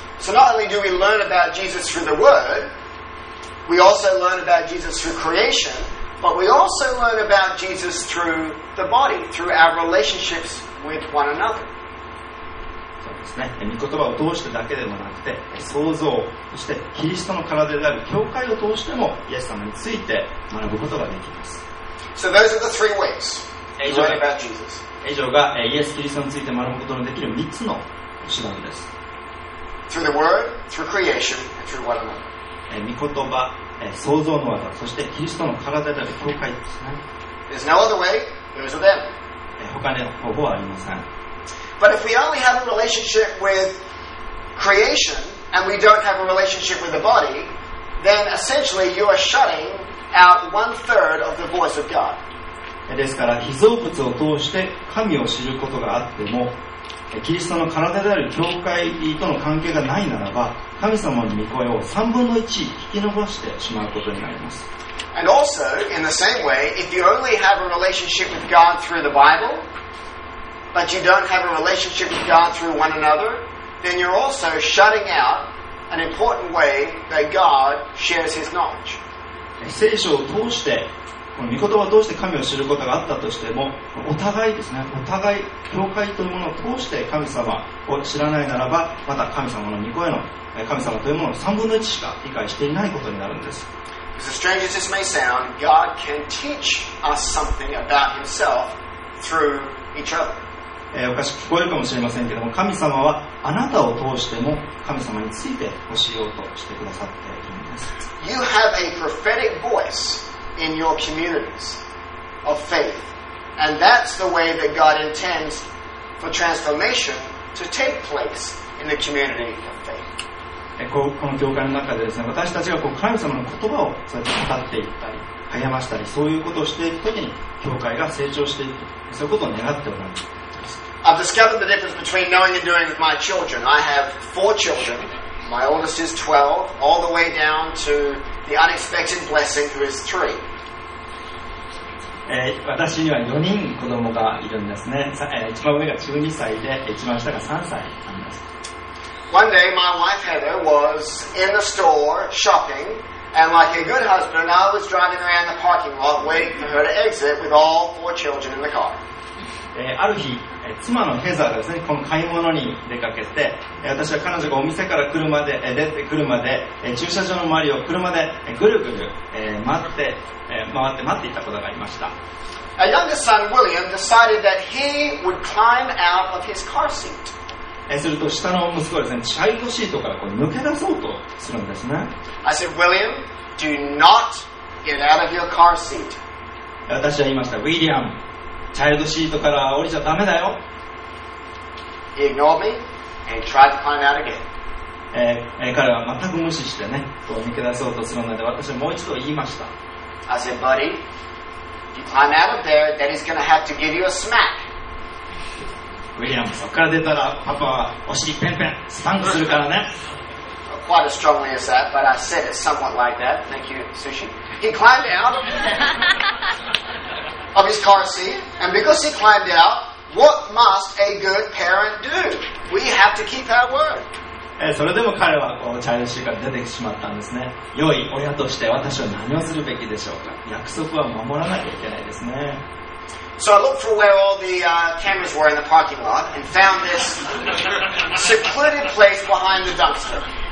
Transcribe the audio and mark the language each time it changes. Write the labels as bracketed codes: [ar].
[en] So not only do we learn about Jesus through the Word, we also learn about Jesus through creation, but we also learn about Jesus through the body, through our relationships with one another. [ja] そうですね。御言葉を通してだけでもなくて、創造、そしてキリストの体である教会を通してもイエス様について学ぶことができます。 [en] So those are the three ways to learn about Jesus. [ja] 以上がイエス・キリストについて学ぶことのできる3つの手段です。 [en] Through the Word, through creation, and through one another. [ja] 御言葉、創造の技、そしてキリストの体である教会ですね。 [en] There's no other way, there is a them. [ja] 他の方法はありません。 [en] But if we only have a relationship with creation, and we don't have a relationship with the body, then essentially you are shutting out one third of the voice of God. [ja] ですから、被造物を通して神を知ることがあっても、キリストの体である教会との関係がないならば、神様の御声を3分の1引き伸ばしてしまうことになります。 [en] And also, in the same way, if you only have a relationship with God through the Bible, but you don't have a relationship with God through one another, then you're also shutting out an important way that God shares his knowledge. [ja] 聖書を通して、この御言葉を通して神を知ることがあったとしても、お互いですね、お互い、教会というものを通して神様を知らないならば、また神様の御声の、神様というものを3分の1しか理解していないことになるんです。 [en] As strange as this may sound, God can teach us something about himself through each other. [ja] おかしく聞こえるかもしれませんけども、神様はあなたを通しても神様について教えようとしてくださっているんです。 [en] You have a prophetic voice. In your communities of faith, and that's the way that God intends for transformation to take place in the community of faith. [ja] この教会の中でですね、私たちがこう神様の言葉をそうやって語っていったり、励ましたり、そういうことをしていくときに教会が成長していく、そういうことを願っております。 [en] I've discovered the difference between knowing and doing with my children. I have four children. My oldest is 12, all the way down to. The unexpected blessing who is three. [ja] 私には4人子供がいるんですね。一番上が12歳で、一番下が3歳なんです。 [en] One day, my wife Heather was in the store shopping, and like a good husband, I was driving around the parking lot waiting for her to exit with all four children in the car. [ja] ある日、妻のヘザーがですね、この買い物に出かけて、私は彼女がお店から車で出てくるまで、駐車場の周りを車でぐるぐる待っていたことがありました。 [en] A younger son, William, decided that he would climb out of his car seat. [ja] すると下の息子はですね、チャイルドシートからこう抜け出そうとするんですね。 [en] I said, William, do not get out of your car seat. [ja] 私は言いました、ウィリアム。チャイルドシートから降りちゃダメだよ。 [en] He ignored me and tried to climb out again. [ja] 彼は全く無視してね、こう抜け出そうとするので、私はもう一度言いました。 [en] I said, buddy, if you climb out of there, daddy's gonna have to give you a smack. [ja] ウィリアム、そこから出たらパパはお尻ペンペン、スパンクするからね。 [en] Quite as strongly as that, but I said it somewhat like that. Thank you, sushi. He climbed out. Of his car seat, and because he climbed out, what must a good parent do? We have to keep our word. [ja] それでも彼はこうチャイルドシートから出てしまったんですね。良い親として私は何をするべきでしょうか。約束は守らなきゃいけないですね。 [en] So I looked for where all the cameras were in the parking lot and found this secluded place behind the dumpster.